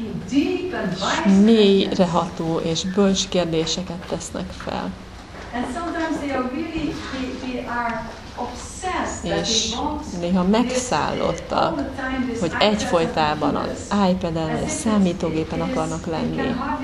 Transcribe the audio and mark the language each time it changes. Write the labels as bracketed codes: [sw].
[hu] És mélyre ható és bölcs kérdéseket tesznek fel. [en] And sometimes they are really, they are obsessed. [hu] és néha megszállotta, hogy egyfolytában az iPad-en, a számítógépen akarnak lenni.